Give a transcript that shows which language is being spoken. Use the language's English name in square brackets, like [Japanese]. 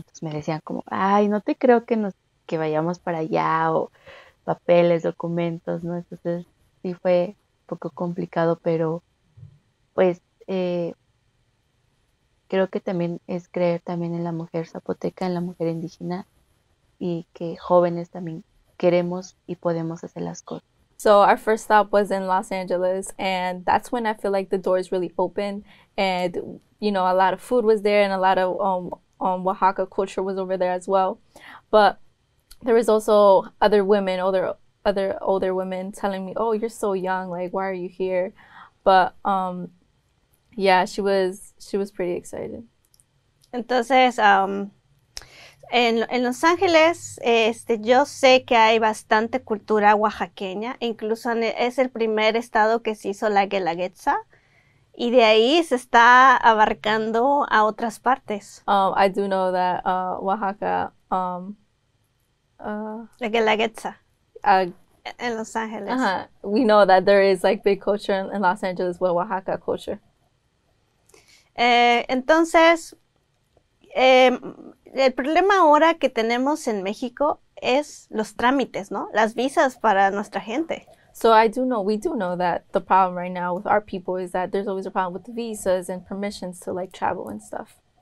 [Spanish] Entonces me decían como, ay, no te creo que vayamos para allá o papeles, documentos, ¿no? Entonces sí fue un poco complicado, pero pues creo que también es creer también en la mujer zapoteca, en la mujer indígena y que jóvenes también queremos y podemos hacer las cosas. [English] So our first stop was in Los Angeles, and that's when I feel like the doors really opened, and you know, a lot of food was there, and a lot of Oaxaca culture was over there as well. But there was also other women, older women telling me, "Oh, you're so young, like why are you here?" But yeah, she was pretty excited. [Spanish] Entonces, en Los Ángeles, yo sé que hay bastante cultura oaxaqueña, incluso es el primer estado que se hizo la Guelaguetza, y de ahí se está abarcando a otras partes. [English] I do know that Oaxaca, La Guelaguetza. in Los Angeles. We know that there is like big culture in Los Angeles with Oaxaca culture. [Spanish] Entonces, el problema ahora que tenemos en México es los trámites, ¿no? Las visas para nuestra gente. [English] So I do know, we do know that the problem right now with our people is that there's always a problem with the visas and permissions to like travel and stuff.